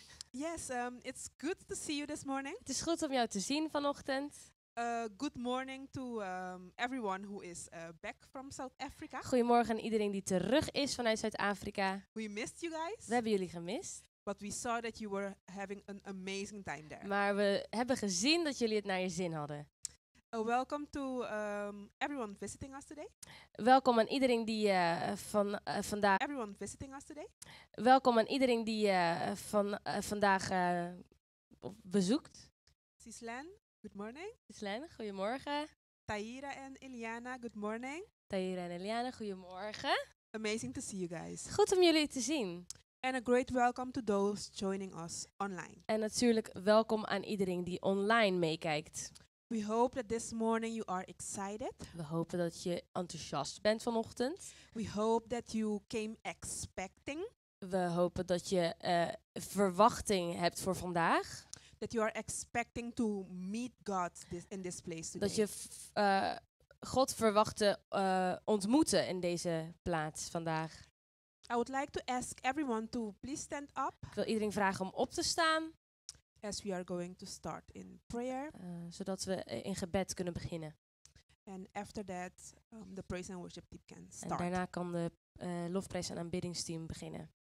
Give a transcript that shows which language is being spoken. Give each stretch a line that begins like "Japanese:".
English: Yes, it's good to see you this morning.
Dutch: Het is goed om jou te zien vanochtend.
English: Good morning to everyone who is back from South Africa.
Dutch: Goedemorgen aan iedereen die terug is vanuit Zuid-Afrika.
English: We missed you guys.
Dutch: We hebben jullie gemist.
English: But we saw that you were having an amazing time there.
Dutch: Maar we hebben gezien dat jullie het naar je zin hadden.
English: Welcome to everyone visiting us today.
Dutch: Welkom aan iedereen die vandaag.
English: Everyone visiting us today.
Dutch: Welkom aan iedereen die vandaag bezoekt.
English: Cislen, good morning.
Dutch: Cislen, goedemorgen.
English: Tahira en Eliana, good morning.
Dutch: Tahira en Eliana, goedemorgen.
English: Amazing to see you guys.
Dutch: Goed om jullie te zien.
English: And a great welcome to those joining us online.
Dutch: En natuurlijk welkom aan iedereen die online meekijkt.
English: We hope that this morning you are excited.
Dutch: We hopen dat je enthousiast bent vanochtend.
English: We hope that you came expecting.
Dutch: We hopen dat je verwachting hebt voor vandaag.
English: That you are expecting to meet God in this place today.
Dutch: Dat je God verwacht te ontmoeten in deze plaats vandaag.
English: I would like to ask everyone to please stand up.
Dutch: Ik wil iedereen vragen om op te staan.
English: As we are going to start in prayer.
Dutch: Zodat we in gebed kunnen beginnen.
English: And after that, the praise and worship team can start.
Dutch: En daarna kan de lofprijs- en aanbiddingsteam beginnen.